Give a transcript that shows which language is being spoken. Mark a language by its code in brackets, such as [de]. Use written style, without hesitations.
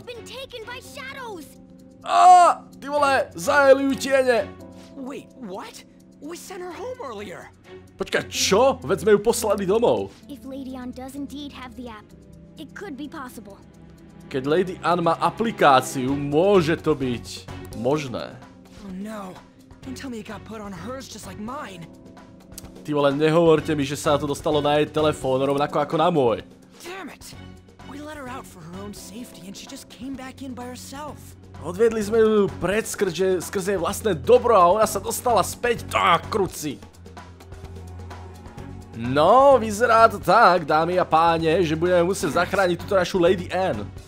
[en] She's been taken by shadows. [sk] Ty vole, zajeli ju tiene. [en] Wait, what? We sent her home earlier. [sk] Počkaj, čo? Veď sme ju poslali domov. [en] If Lady An does indeed have the app, it could be possible. [sk] Keď Lady An má aplikáciu, môže to byť možné. [en] Oh no. Don't tell me it got put on hers just like mine. [sk] Ty vole, nehovorte mi, že sa to dostalo na jej telefón, rovnako ako na môj. [en] Dammit! We let her out for her own safety and she just came back in by herself. [sk] Odvedli sme ju pred skrz jej vlastné dobro a ona sa dostala späť. Tá, kruci! No, vyzerá to tak, dámy a páne, že budeme musieť zachrániť túto našu Lady Anne.